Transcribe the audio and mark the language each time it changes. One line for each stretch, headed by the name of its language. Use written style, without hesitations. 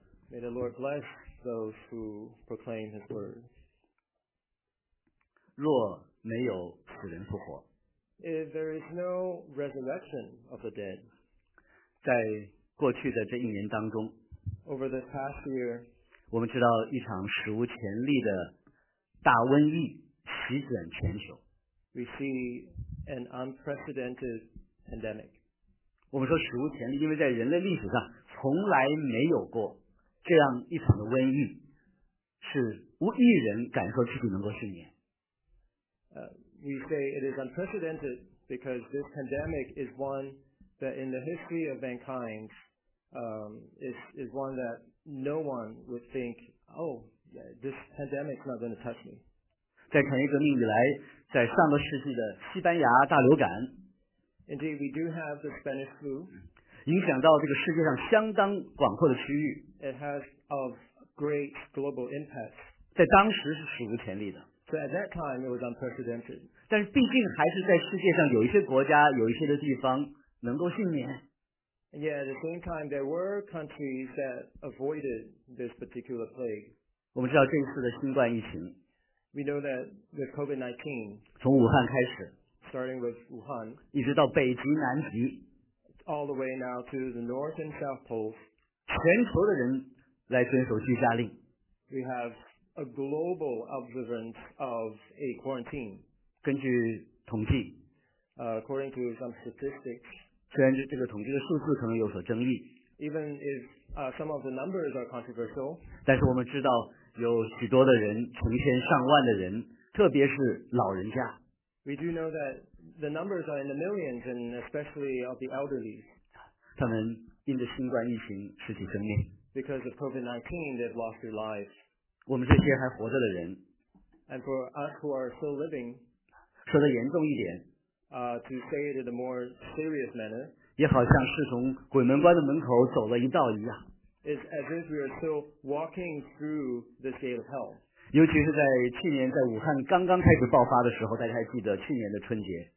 English: May the Lord bless those who proclaim His word.
Chinese: 若没有死人复活。
English: If there is no resurrection of the dead.
Chinese: 在过去的这一年当中。
English: Over this past year.
Chinese: 我们知道一场史无前例的大瘟疫席卷全球。
English: We see an unprecedented pandemic.
Chinese: 我们说史无前例，因为在人类历史上从来没有过这样一场的瘟疫，是无一人敢说自己能够幸免。
English: We say it is unprecedented because this pandemic is one that in the history of mankind, is one that no one would think, oh, this pandemic is not going to touch me.
Chinese: 在产业革命以来，在上个世纪的西班牙大流感。
English: Indeed, we do have the Spanish flu.
Chinese: 影响到这个世界上相当广阔的区域。
English: It has of great global impact.
Chinese: 在当时是史无前例的。
English: So at that time, it was unprecedented.
Chinese: 但是毕竟还是在世界上有一些国家、有一些的地方能够幸免。
English: And yet, at the same time, there were countries that avoided this particular plague.
Chinese: 我们知道这次的新冠疫情。
English: We know that with COVID-19.
Chinese: 从武汉开始。
English: Starting with Wuhan,
Chinese: 一直到北极南极
English: all the way now to the North and South Poles,
Chinese: 全球的人来遵守居家令
English: we have a global observance of a quarantine.
Chinese: 根据统计
English: according to some statistics,
Chinese: 虽然这个统计的数字可能有所争议
English: even if some of the numbers are controversial,
Chinese: 但是我们知道有许多的人成千上万的人特别是老人家
English: We do know that the numbers are in the millions and especially of the elderly.
Chinese: 他们因着新冠疫情失去生命。
English: because of COVID-19, they've lost their lives.
Chinese: 我们这些还活着的人。
English: And for us who are still living,
Chinese: 说得严重一点。
English: To say it in a more serious manner,
Chinese: 也好像是从鬼门关的门口走了一道一样。
English: It's as if we are still walking through this gate of hell.
Chinese: 尤其是在去年在武汉刚刚开始爆发的时候，大家还记得去年的春节。